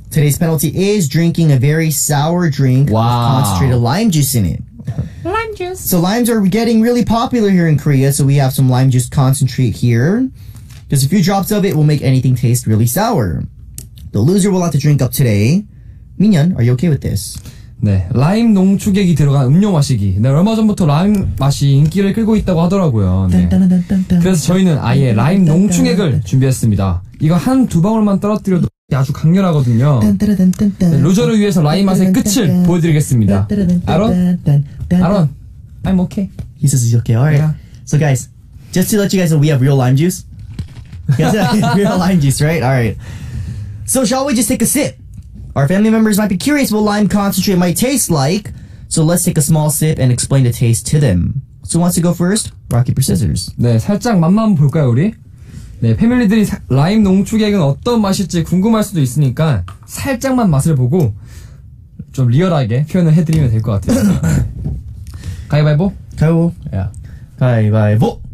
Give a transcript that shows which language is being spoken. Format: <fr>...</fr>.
<en>Today's penalty is drinking a very sour drink Wow. with concentrated lime juice in it. Lime juice. So limes are getting really popular here in Korea, so we have some lime juice concentrate here. Just a few drops of it will make anything taste really sour. The loser will have to drink up today. Minyeon, are you okay with this?</en> <ko>네, 라임 농축액이 들어간 음료 마시기. 네, 얼마 전부터 라임 맛이 인기를 끌고 있다고 하더라고요. 네. 그래서 저희는 아예 라임 농축액을 준비했습니다. 이거 한 두 방울만 떨어뜨려도 아주 강렬하거든요. 네, 루저를 위해서 라임 맛의 끝을 보여드리겠습니다.</ko> <en>아론? 아론, I'm okay. He says he's okay, alright. Yeah. So guys, just to let you guys know, we have real lime juice. Yes, real lime juice, right? Alright. So shall we just take a sip? Our family members might be curious what lime concentrate might taste like, so let's take a small sip and explain the taste to them. So who wants to go first? Rock, paper, scissors.</en> <ko>네, 살짝 맛만 볼까요, 우리? 네, 패밀리들이 라임 농축액은 어떤 맛일지 궁금할 수도 있으니까 살짝만 맛을 보고 좀 리얼하게 표현을 해드리면 될 것 같아요. 가위바위보? 가위바위보. 야. Yeah. 가위바위보!</ko>